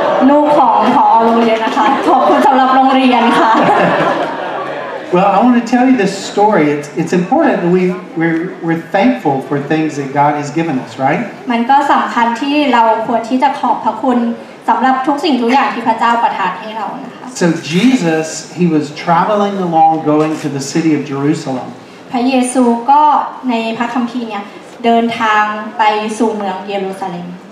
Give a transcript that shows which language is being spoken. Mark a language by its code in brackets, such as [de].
[th] ลูกของพอโรงเรียนนะคะขอบคุณสำหรับโรงเรียนค่ะ [en] Well, I want to tell you this story. It's important that we're thankful for things that God has given us, right? [th] มันก็สำคัญที่เราควรที่จะขอบพระคุณสำหรับทุกสิ่งทุกอย่างที่พระเจ้าประทานให้เรานะคะ [en] So Jesus, he was traveling along, going to the city of Jerusalem. [th] พระเยซูก็ในพระคัมภีร์เนี่ยเดินทางไปสู่เมืองเยรูซาเล็ม